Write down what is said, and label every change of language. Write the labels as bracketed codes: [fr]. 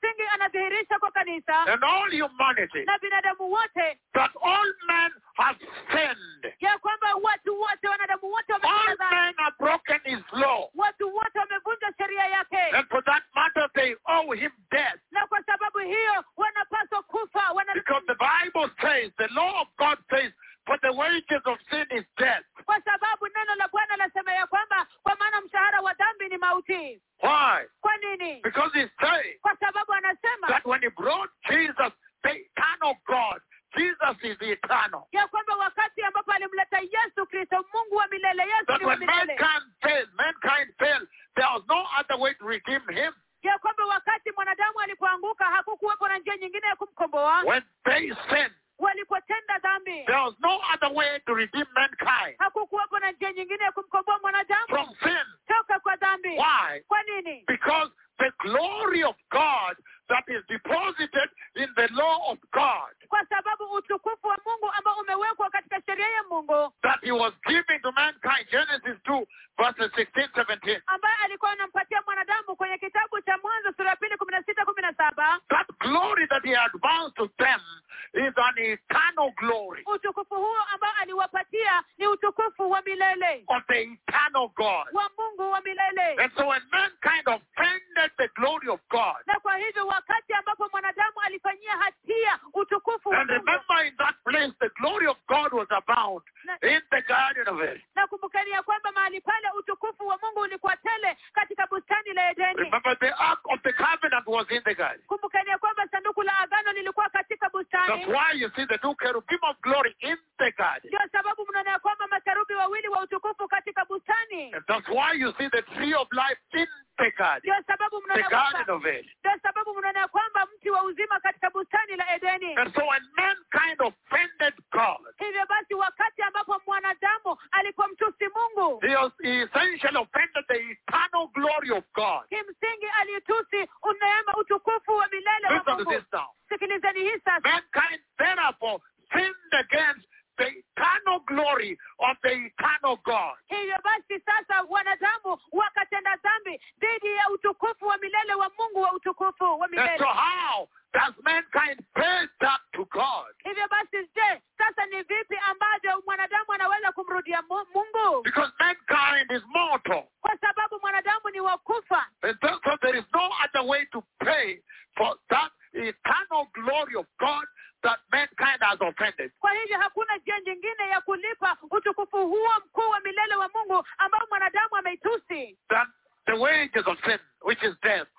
[sw] Singi anadhihirisha kwa kanisa. [en] And all humanity. [sw] Na binadamu wote. [en] That all men have sinned. [sw] Ya kwamba watu wote wanadamu wote wamekosa dhambi. [en] All men have broken his law. [sw] Watu wote wamevunja sheria yake. [en] And for that matter they owe him death. [sw] Na kwa sababu hiyo wanapaswa kufa. [en] Because the Bible says, the law of God says, for the wages of sin is death. [sw] Kwa sababu neno la Bwana nasema ya kwamba kwa maana mshahara wa dhambi ni mauti. [en] Why? [sw] Kwa nini? [en] Because he said. [sw] Kwa sababu anasema. [en] That when he brought Jesus, the eternal God, Jesus is the eternal. [sw] Ya kwamba wakati ambapo alimleta Yesu Kristo, Mungu wa milele, Yesu ni wa milele. [en] That when mankind fell, there was no other way to redeem him. [sw] Ya kwamba wakati mwanadamu alipoanguka, hakukuwepo na njia nyingine ya kumkomboa. [en] When they sinned. [sw] Walipotenda dhambi. [en] There was no other way to redeem mankind. [sw] Hakukuwepo na njia nyingine ya kumkomboa mwanadamu. [en] From sin. [sw] Toka kwa dhambi. [en] Why? [sw] Kwa nini? [en] Because the glory of God that is deposited in the law of God. [sw] Kwa sababu utukufu wa Mungu ambao umewekwa katika sheria ya Mungu. [en] That he was giving to mankind. Genesis 2:16-17. [sw] Ambaye alikuwa anampatia mwanadamu kwenye kitabu cha Mwanzo sura ya 2:16-17. [en] That glory that he advanced to them is an eternal glory. [sw] Utukufu huo ambao aliwapatia ni utukufu wa milele. [en] Of the eternal God. [sw] Wa Mungu wa milele. [en] And so when mankind offended the glory of God. [sw] Na kwa hivyo wakati ambapo mwanadamu alifanyia hatia utukufu wa Mungu. [en] And remember in that place the glory of God was abound in the garden of Eden. [sw] Na kumbukeni ya kwamba mahali pale utukufu wa Mungu ulikuwa tele katika bustani la Edeni. [en] Remember the ark of the covenant was in the garden. [sw] Kumbukeni ya kwamba sanduku la agano lilikuwa katika bustani. [en] That's why you see the two cherubim of glory in the garden. [sw] Ndio sababu mnaona ya kwamba makerubi wawili wa utukufu katika bustani. [en] And that's why you see the tree of life in the garden. [sw] Ndio sababu mnaona ya kwamba [en] the garden of Eden. [sw] Ndio sababu mnaona ya kwamba mti wa uzima katika bustani la Edeni. [en] And so when mankind offended God. [sw] Hivyo basi wakati ambapo mwanadamu alipomtusi Mungu. [en] He essentially offended the eternal glory of God. [sw] Kimsingi alitusi neema utukufu wa milele wa Mungu. Sikilizeni hii sasa. [en] Mankind therefore sinned against the eternal glory of the eternal God. [sw] Hivyo basi sasa wanadamu wakatenda dhambi dhidi ya utukufu wa milele wa Mungu wa utukufu wa milele. [en] So how does mankind pay that to God? [sw] Hivyo basi je, sasa ni vipi ambavyo mwanadamu anaweza kumrudia Mungu? [en] Because mankind is mortal. [sw] Kwa sababu mwanadamu ni wakufa. [en] And so there is no other way to pay for that eternal glory of God that mankind has offended. [sw] Kwa hivyo hakuna njia nyingine ya kulipa utukufu huo mkuu wa milele wa Mungu ambao mwanadamu ameitusi. [en] Than the wages of sin, which is death.